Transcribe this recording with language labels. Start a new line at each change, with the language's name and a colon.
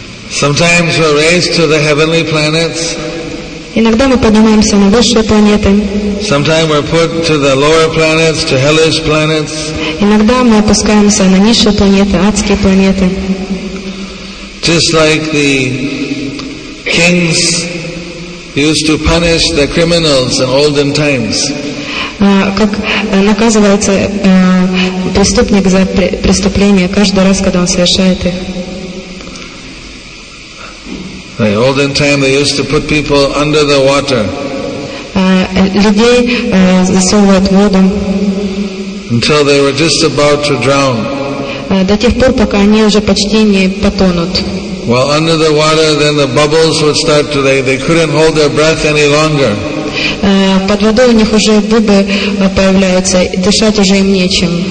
English: Sometimes we're raised to the heavenly planets.
Russian: Иногда мы поднимаемся на высшие планеты.
English: Sometimes we're put to the lower planets, to hellish planets.
Russian: Иногда мы опускаемся на низшие планеты, адские планеты.
English: Just like the kings used to punish the criminals in olden times.
Russian: Как наказывается преступник за преступление каждый раз, когда он совершает их.
English: In olden time, they used to put people under the water.
Russian: Людей засовывают в воду.
English: Until they were just about to drown.
Russian: До тех пор, пока они уже почти не потонут.
English: While under the water, then the bubbles would start to. They couldn't hold their breath any longer.
Russian: Под водой у них уже бубы появляются, дышать уже им нечем.